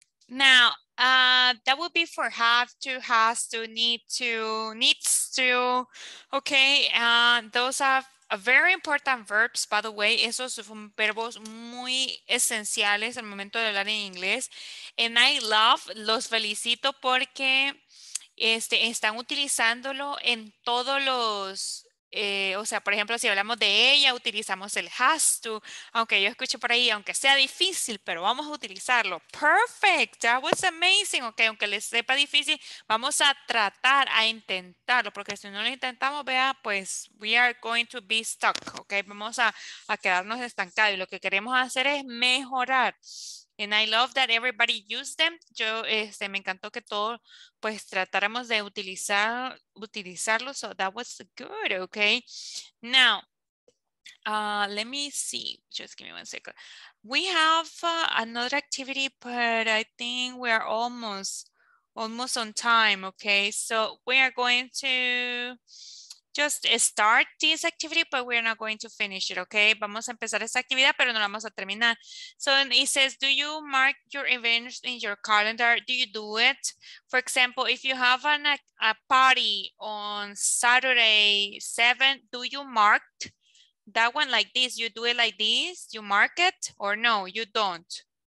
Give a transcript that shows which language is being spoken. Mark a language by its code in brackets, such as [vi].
[en] Now, that would be for have to, has to, need to, needs to, okay? Those are very important verbs, by the way. [es] Esos son verbos muy esenciales al momento de hablar en inglés. [en] And I love, [es] los felicito porque están utilizándolo en todos los... o sea, por ejemplo, si hablamos de ella, utilizamos el has to, aunque yo escuche por ahí, aunque sea difícil, pero vamos a utilizarlo. [en] Perfect, that was amazing. [es] Okay, aunque les sepa difícil, vamos a tratar, a intentarlo, porque si no lo intentamos, vea, pues [en] we are going to be stuck. [es] Okay, vamos a quedarnos estancados y lo que queremos hacer es mejorar. [en] And I love that everybody used them. [es] Yo, me encantó que todos, pues, tratáramos de utilizarlos. [en] So that was good, okay? Now, let me see. Just give me one second. We have another activity, but I think we are almost on time, okay? So we are going to just start this activity, but we're not going to finish it, okay? [es] Vamos a empezar esta actividad, pero no la vamos a terminar. [en] So it says, do you mark your events in your calendar? Do you do it? For example, if you have a party on Saturday 7th, do you mark that one like this? You do it like this? You mark it or no, you don't?